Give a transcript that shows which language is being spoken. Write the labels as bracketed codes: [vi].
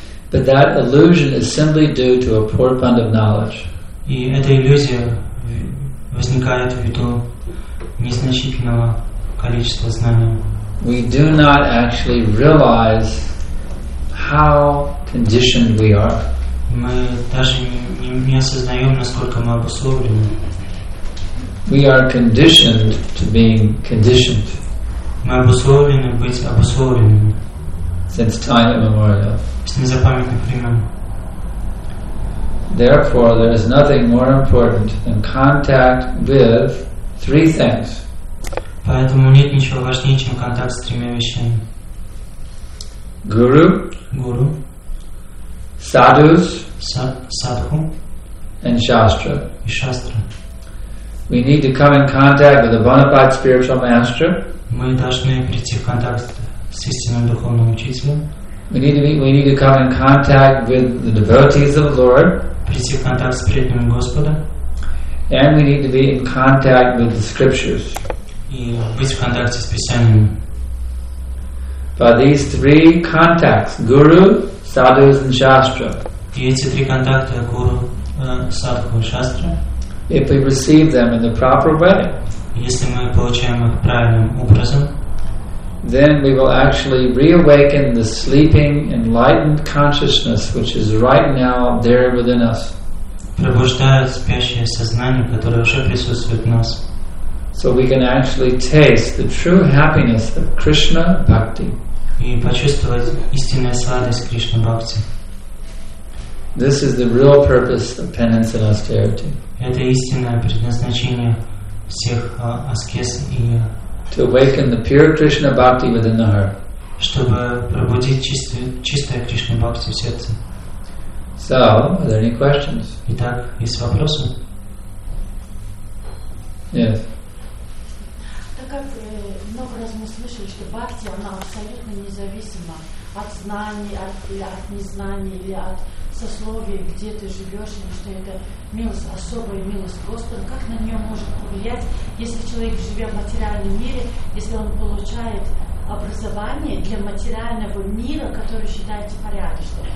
[en] But that illusion is simply due to a poor fund of knowledge. [ru] И эта иллюзия возникает ввиду незначительного количества знаний. [en] We do not actually realize how conditioned we are. [ru] Мы даже не осознаем, насколько мы обусловлены. [en] We are conditioned to being conditioned. [ru] Мы обусловлены быть обусловленными. [en] Since time immemorial. [ru] С незапамятных времен. [en] Therefore, there is nothing more important than contact with three things. [ru] Поэтому нет ничего важнее, чем контакт с тремя вещами. [en] Guru. [ru] Guru. [en] Sadhus. [ru] Sadhu. [en] And Shastra. [ru] И Шастра. [en] We need to come in contact with a bona fide spiritual master. [ru] Мы должны прийти в контакт с истинным духовным учителем. [en] We need to come in contact with the devotees of the Lord. [ru] Прийти в контакт с преданными Господа. [en] And we need to be in contact with the scriptures. [ru] И быть в контакте с Писанием. [en] By these three contacts, Guru, Sadhus, and Shastra. [ru] И эти три контакта — Guru, Sadhu, Shastra. [en] If we receive them in the proper way, [ru] если мы получаем их правильным образом, [en] then we will actually reawaken the sleeping, enlightened consciousness which is right now there within us. [ru] Пробуждая спящее сознание, которое уже присутствует в нас. [en] So we can actually taste the true happiness of Krishna Bhakti. [ru] И почувствовать истинную сладость Кришна Бхакти. [en] This is the real purpose of penance and austerity. [ru] Это истинное предназначение всех аскез и [en] to awaken the pure Krishna Bhakti within the heart. [ru] Чтобы пробудить чистое Кришна Бхакти в сердце. [en] So, are there any questions? [ru] Итак, есть вопросы? [en] Yes. [ru] Так как много раз мы слышали, что Бхакти, она абсолютно независима от знаний, от незнаний или от сословий, где ты живешь, или что это милость, особая милость Господа, как на нее может повлиять, если человек живет в материальном мире, если он получает образование для материального мира, который считается порядочным?